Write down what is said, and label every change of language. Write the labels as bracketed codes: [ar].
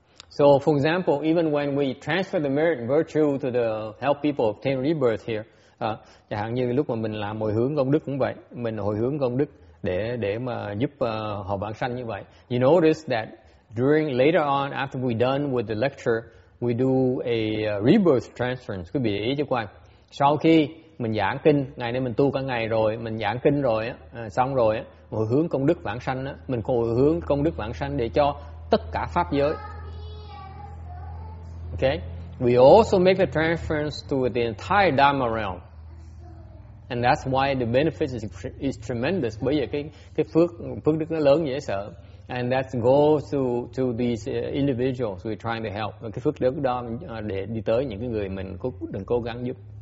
[en] So for example, even when we transfer the merit and virtue to the help people obtain rebirth here, [vi] chẳng hạn như lúc mà mình làm hồi hướng công đức cũng vậy, mình hồi hướng công đức để mà giúp họ vãng sanh như vậy. [en] You notice that during later on after we done with the lecture, we do a rebirth transference. [vi] Quý vị để ý cho coi. Sau khi mình giảng kinh, ngày nay mình tu cả ngày rồi, mình giảng kinh rồi, xong rồi, hồi hướng công đức vãng sanh, mình hồi hướng công đức vãng sanh để cho tất cả pháp giới. [en] Okay? We also make the transference to the entire Dharma realm. And that's why the benefit is tremendous. [vi] Bởi vì cái phước đức nó lớn dễ sợ. [en] And that goes to these individuals we're trying to help. [vi] Cái phước đức đó để đi tới những cái người mình đừng cố gắng giúp.